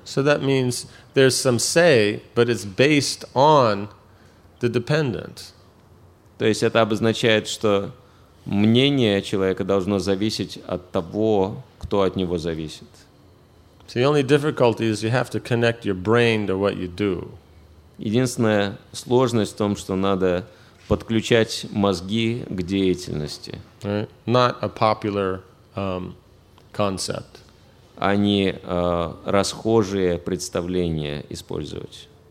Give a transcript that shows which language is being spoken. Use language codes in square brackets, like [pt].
[en] So that means there's some say, but it's based on the dependent. [ru] То есть это обозначает, что мнение человека должно зависеть от того, кто от него зависит. [en] So the only difficulty is you have to connect your brain to what you do. [ru] Единственная сложность в том, что надо подключать мозги к деятельности. [en] Right? Not a popular concept. [ru] А не расхожие представления использовать.